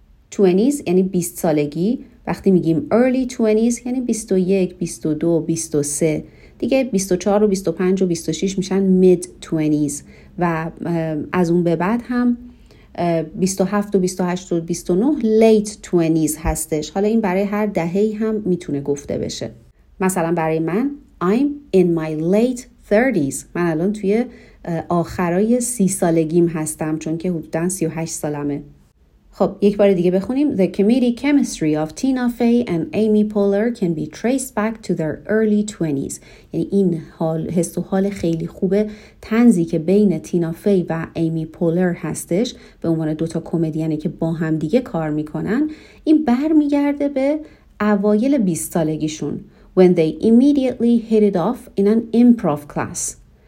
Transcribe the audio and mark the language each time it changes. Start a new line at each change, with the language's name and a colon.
Persian: 20s یعنی 20 سالگی، وقتی میگیم
English: early 20s
Persian: یعنی 21 22 23 دیگه، 24 و 25 و 26 میشن
English: mid 20s
Persian: و از اون به بعد هم 27 و 28 و 29
English: late 20s
Persian: هستش. حالا این برای هر دهه هم میتونه گفته بشه. مثلا برای من
English: I'm in my late 30s،
Persian: من الان توی آخرای 30 سالگیم هستم، چون که حدوداً 38 سالمه. خب یک بار دیگه بخونیم.
English: The comedic chemistry of Tina Fey and Amy Poehler can be traced back to their early 20s.
Persian: یعنی این حال، حس و حال خیلی خوبه، طنزی که بین تینا فی و ایمی پولر هستش به عنوان دوتا کمدینه که با هم دیگه کار میکنن، این برمیگرده به اوایل 20 سالگیشون.
English: When they immediately hit it off in an improv class.